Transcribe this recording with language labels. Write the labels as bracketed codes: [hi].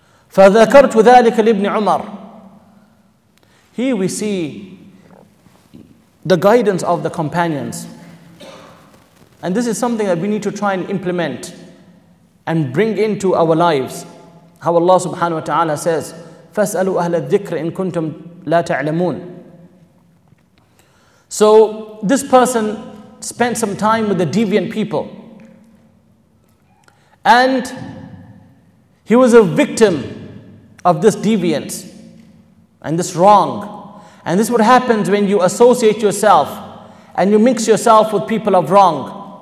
[ar] فَذَكَرْتُ ذَلِكَ لِبْنِ عُمَرِ. [en] Here we see the guidance of the companions. And this is something that we need to try and implement and bring into our lives. How Allah subhanahu wa ta'ala says, [ar] فَاسْأَلُوا أَهْلَ الذِّكْرِ إِن كُنْتُمْ لَا تَعْلَمُونَ. [en] So this person spent some time with the deviant people. And he was a victim of this deviance and this wrong. And this is what happens when you associate yourself and you mix yourself with people of wrong.